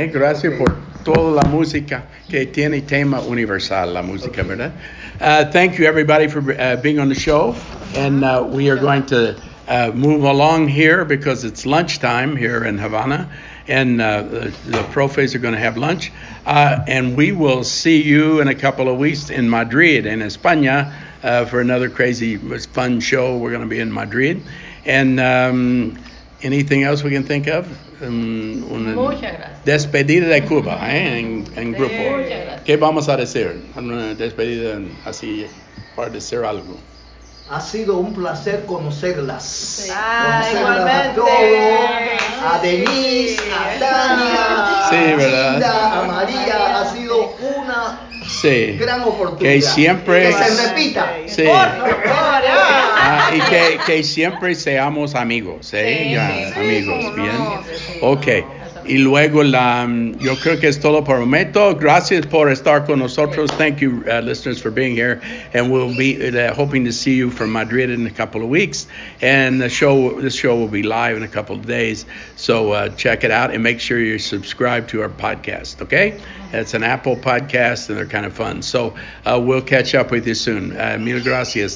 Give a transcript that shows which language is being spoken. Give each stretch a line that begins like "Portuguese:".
Spanish: Gracias por toda la música que tiene tema universal, la música, ¿verdad?
English: Thank you, everybody, for being on the show. And we are going to move along here because it's lunchtime here in Havana. And the profes are going to have lunch. And we will see you in a couple of weeks in Madrid, in España, for another crazy, fun show. We're going to be in Madrid. And anything else we can think of?
Spanish: Muchas gracias. Despedida de Cuba, en grupo. Muchas gracias. ¿Qué vamos a decir? Una despedida así para decir algo. Ha sido un placer conocerlas. Sí. Conocerlas a todos. A Denise, a Tania. Sí, ¿verdad? Linda, a María. Ha sido una gran oportunidad. Que siempre. Que se repita. Sí. Por favor. Y que siempre seamos amigos, ¿eh? Sí, ya, sí, amigos, sí, ¿bien? No, ok, y luego yo creo que es todo por un momento. Gracias por estar con nosotros.
English: Thank you, listeners, for being here. And we'll be hoping to see you from Madrid in a couple of weeks. And this show will be live in a couple of days. So check it out and make sure you subscribe to our podcast, okay? It's an Apple podcast, and they're kind of fun. So we'll catch up with you soon.
Spanish: Mil gracias.